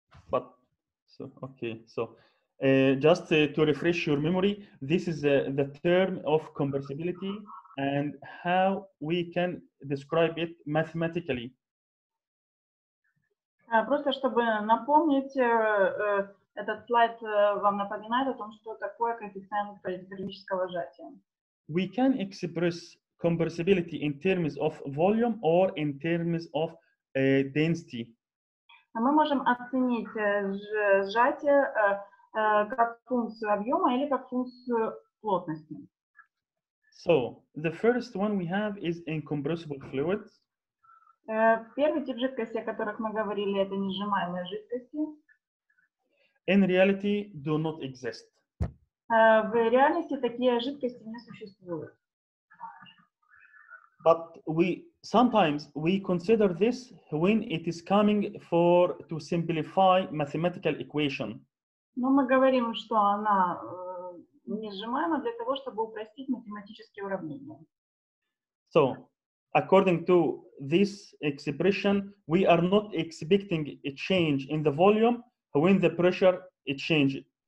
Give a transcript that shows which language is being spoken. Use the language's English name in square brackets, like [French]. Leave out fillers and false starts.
[English] But, so, okay, so, just to refresh your memory, this is the term of compressibility and how we can describe it mathematically. [Russian] Просто чтобы напомнить, этот слайд вам напоминает о том, что такое коэффициент изотермического сжатия. [English] We can express compressibility in terms of volume or in terms of density. [Russian] Мы можем оценить сжатие как функцию объема или как функцию плотности. [English] So, the first one we have is incompressible fluids. [Russian] Первый тип жидкости, о которых мы говорили, это несжимаемые жидкости. [English] In reality, do not exist. [Russian] В реальности такие жидкости не существуют. [English] But we sometimes we consider this when it is coming for to simplify mathematical equation. [Russian] Но мы говорим, что она несжимаема для того, чтобы упростить математические уравнения. [English] So, according to this expression, we are not expecting a change in the volume when the pressure it changes.